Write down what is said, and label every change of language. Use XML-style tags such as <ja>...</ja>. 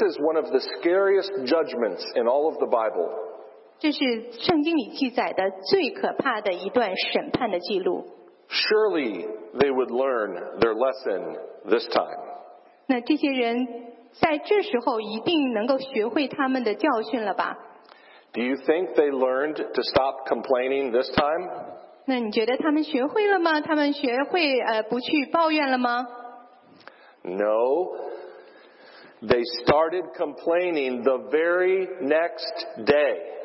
<en>is one of the scariest judgments in all of the Bible.</en> <zh>这是圣经里记载的最可怕的一段审判的记录。</zh> <en>Surely they would learn their lesson this time.</en> <zh>那这些人在这时候一定能够学会他们的教训了吧?</zh> <en>Do you think they learned to stop complaining this time?</en> <zh>那你觉得他们学会了吗?他们学会不去抱怨了吗?</zh> <en>No. They started complaining the very next day.</en>